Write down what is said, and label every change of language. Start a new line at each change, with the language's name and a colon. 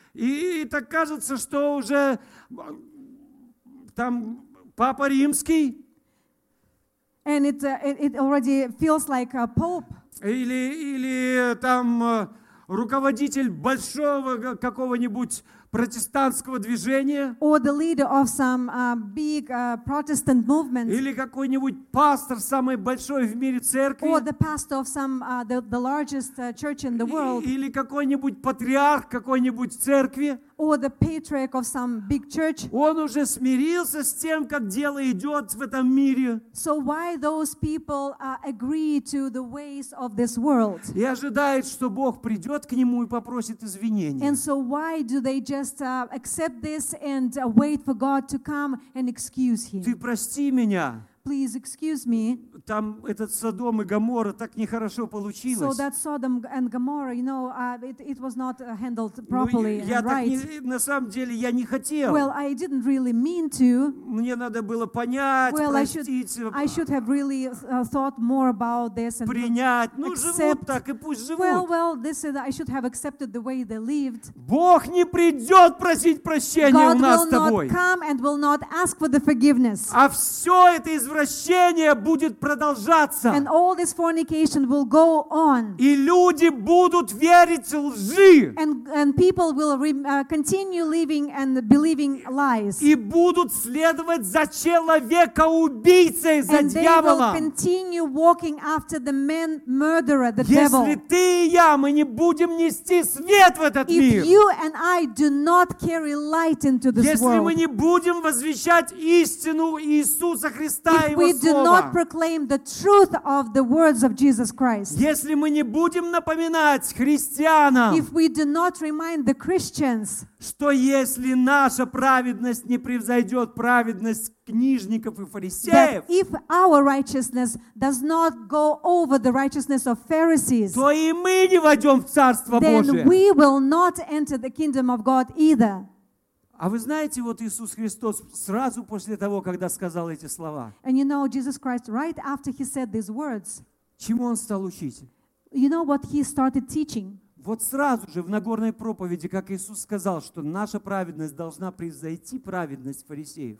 Russian: И так кажется, что уже там Папа Римский.
English: And it already feels like a pope.
Russian: Или там руководитель большого какого-нибудь протестантского движения.
English: Or the leader of some big Protestant movement.
Russian: Или какой-нибудь пастор самой большой в мире церкви.
English: Or the pastor of some the largest church in the world.
Russian: Или какой-нибудь патриарх какой-нибудь церкви.
English: or the patriarch of some big church.
Russian: Он уже смирился с тем, как дело идет в этом мире.
English: So why those people agree to the ways of this world?
Russian: И ожидает, что Бог придет к нему и попросит извинения.
English: And so why do they just accept this and wait for God to come and excuse him?
Russian: Ты прости меня.
English: Please excuse me.
Russian: Там этот Содом и Гоморра так нехорошо получилось.
English: So that Sodom and Gomorrah, you know, it was not handled properly.
Russian: Ну, я так не, на самом деле я не хотел.
English: Well, I didn't really mean to.
Russian: Мне надо было понять,
English: well,
Russian: простить.
English: I should have really thought more about this and
Russian: принять. Ну, живут так, и пусть живут.
English: Well, this is, I should have accepted the way they lived.
Russian: Бог не придет просить прощения
English: God
Russian: у нас с тобой.
English: God will not come and will not ask for the forgiveness.
Russian: А все это извращение будет продолжаться.
English: And all this fornication will go on.
Russian: И люди будут верить лжи.
English: And people will continue living and believing lies.
Russian: И будут следовать за человека-убийцей, за
English: and
Russian: дьявола.
English: And they will continue walking after the man murderer, the
Russian: Если
English: devil.
Russian: Ты и я, мы не будем нести свет в этот
English: If
Russian: мир.
English: If you and I do not carry light into this
Russian: Если
English: world.
Russian: Если мы не будем возвещать истину Иисуса Христа,
English: If we do not proclaim the truth of the words of Jesus Christ,
Russian: если мы не будем напоминать христианам,
English: if we do not remind the Christians,
Russian: что если наша праведность не превзойдет праведность книжников и фарисеев,
English: that if our righteousness does not go over the righteousness of Pharisees,
Russian: то и мы не войдем в Царство
English: then
Russian: Божие.
English: Then we will not enter the kingdom of God either.
Russian: А вы знаете, вот Иисус Христос сразу после того, когда сказал эти слова,
English: And you know, Jesus Christ, right after he said these words,
Russian: чему он стал учить?
English: You know what he started teaching?
Russian: Вот сразу же в Нагорной проповеди, как Иисус сказал, что наша праведность должна превзойти праведность фарисеев.